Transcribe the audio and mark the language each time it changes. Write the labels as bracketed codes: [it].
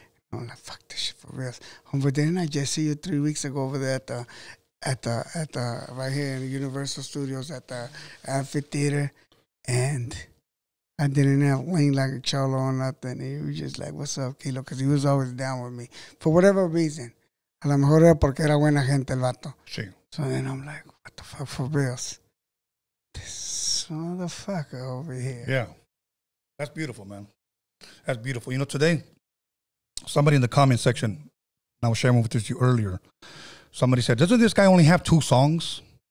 [en] I'm like, fuck this shit for real. But didn't I just see you 3 weeks ago over there at the right here in Universal Studios at the amphitheater? And I didn't have Lean Like a Cholo or nothing. He was just like, what's up, Kilo? Because he was always down with me. For whatever reason. [es] A lo mejor era porque era buena gente el vato. Sí. [en] So then I'm like, what the fuck for real? This motherfucker over here. Yeah. That's beautiful, man. That's beautiful. You know, today, somebody in the comment section, and I was sharing with you earlier, somebody said, doesn't this guy only have two songs?